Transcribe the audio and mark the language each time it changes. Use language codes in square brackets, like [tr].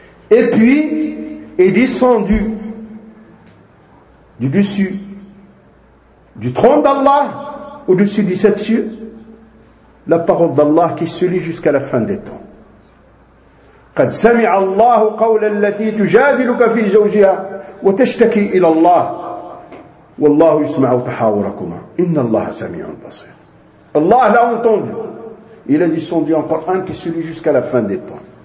[fr] Et puis, il est descendu du dessus. du trône d'Allah au-dessus des sept cieux, la parole d'Allah qui se lit jusqu'à la fin des temps. [ar] قد سمع الله قول التي تجادلك في زوجها وتشتكي إلى الله والله يسمع تحاوركما إن الله سميع بصير. [fr] الله l'a entendu. Il a descendu en Coran qui se lit jusqu'à la fin des temps.